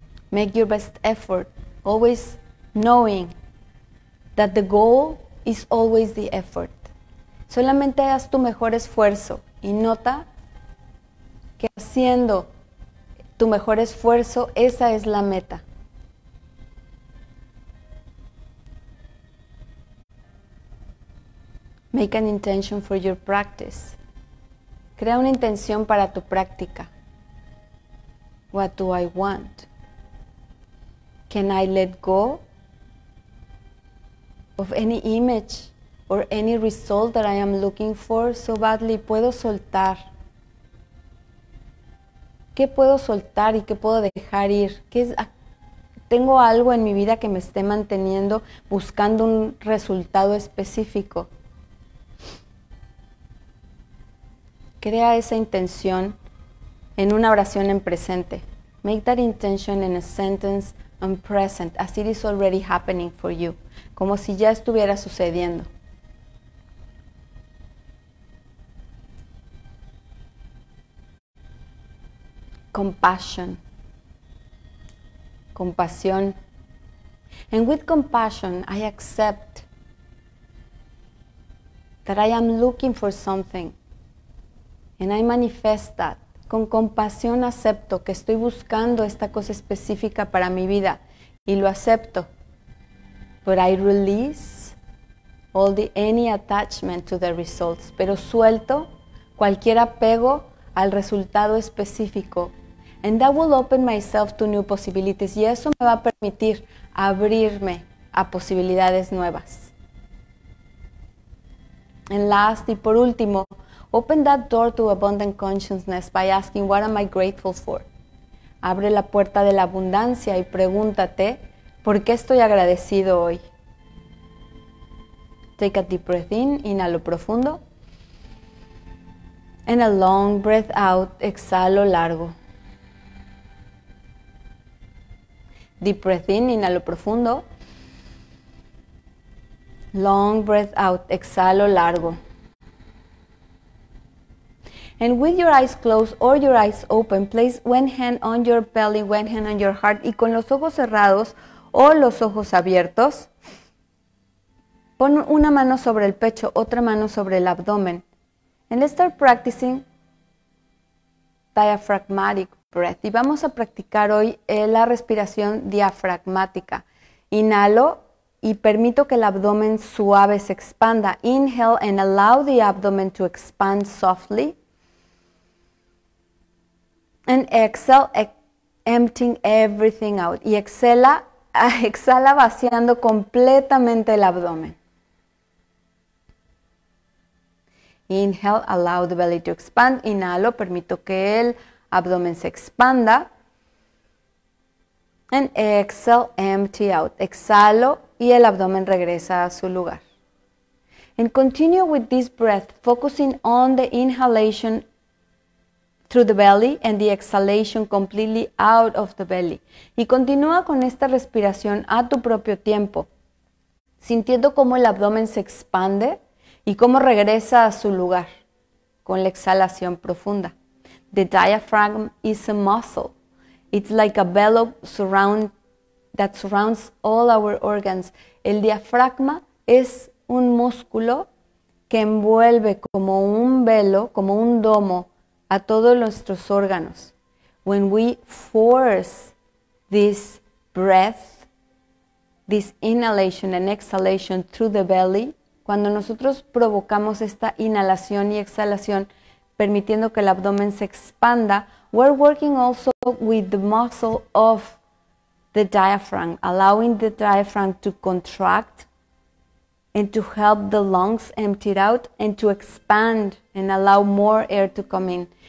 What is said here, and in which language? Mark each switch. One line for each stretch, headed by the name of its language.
English: Make your best effort. Always knowing that the goal is always the effort.
Spanish: Solamente haz tu mejor esfuerzo y nota que haciendo tu mejor esfuerzo, esa es la meta.
English: Make an intention for your practice.
Spanish: Crea una intención para tu práctica.
English: What do I want? Can I let go of any image or any result that I am looking for so badly?
Spanish: ¿Puedo soltar? ¿Qué puedo soltar y qué puedo dejar ir? ¿Qué es? ¿Tengo algo en mi vida que me esté manteniendo buscando un resultado específico? Crea esa intención en una oración en presente.
English: Make that intention in a sentence in present, as it is already happening for you.
Spanish: Como si ya estuviera sucediendo.
English: Compassion. Compasión. And with compassion, I accept that I am looking for something. And I manifest that.
Spanish: Con compasión acepto que estoy buscando esta cosa específica para mi vida y lo acepto.
English: But I release all the any attachment to the results.
Spanish: Pero suelto cualquier apego al resultado específico.
English: And that will open myself to new possibilities.
Spanish: Y eso me va a permitir abrirme a posibilidades nuevas.
English: And last,
Spanish: y por último,
English: open that door to abundant consciousness by asking, what am I grateful for?
Spanish: Abre la puerta de la abundancia y pregúntate, ¿por qué estoy agradecido hoy?
English: Take a deep breath in,
Spanish: inhalo profundo.
English: And a long breath out,
Spanish: exhalo largo.
English: Deep breath in,
Spanish: inhalo profundo.
English: Long breath out,
Spanish: exhalo largo.
English: And with your eyes closed or your eyes open, place one hand on your belly, one hand on your heart.
Spanish: Y con los ojos cerrados o los ojos abiertos, pon una mano sobre el pecho, otra mano sobre el abdomen.
English: And let's start practicing diaphragmatic breath.
Spanish: Y vamos a practicar hoy la respiración diafragmática. Inhalo y permito que el abdomen suave se expanda.
English: Inhale and allow the abdomen to expand softly. And exhale, emptying everything out.
Spanish: Y exhala vaciando completamente el abdomen.
English: Inhale, allow the belly to expand.
Spanish: Inhalo, permito que el abdomen se expanda.
English: And exhale, empty out.
Spanish: Exhalo y el abdomen regresa a su lugar.
English: And continue with this breath, focusing on the inhalation through the belly and the exhalation completely out of the belly.
Spanish: Y continúa con esta respiración a tu propio tiempo, sintiendo cómo el abdomen se expande y cómo regresa a su lugar con la exhalación profunda.
English: The diaphragm is a muscle. It's like a bellow that surrounds all our organs.
Spanish: El diafragma es un músculo que envuelve como un velo, como un domo, a todos nuestros órganos.
English: When we force this breath, this inhalation and exhalation through the belly,
Spanish: cuando nosotros provocamos esta inhalación y exhalación, permitiendo que el abdomen se expanda,
English: we're working also with the muscle of the diaphragm, allowing the diaphragm to contract and to help the lungs empty it out and to expand and allow more air to come in.